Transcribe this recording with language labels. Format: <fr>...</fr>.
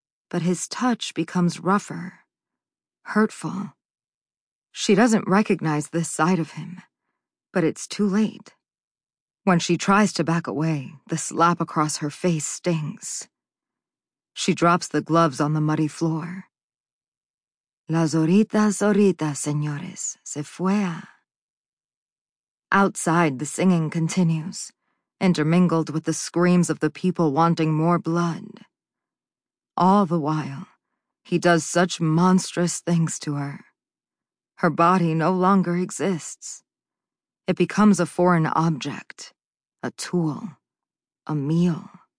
<en>But his touch becomes rougher, hurtful. She doesn't recognize this side of him, but it's too late. When she tries to back away, the slap across her face stings. She drops the gloves on the muddy floor.</en> <es>Las horitas, horitas, señores, se fue.</es> <en>Outside, the singing continues, intermingled with the screams of the people wanting more blood. All the while, he does such monstrous things to her. Her body no longer exists. It becomes a foreign object, a tool, a meal.</en>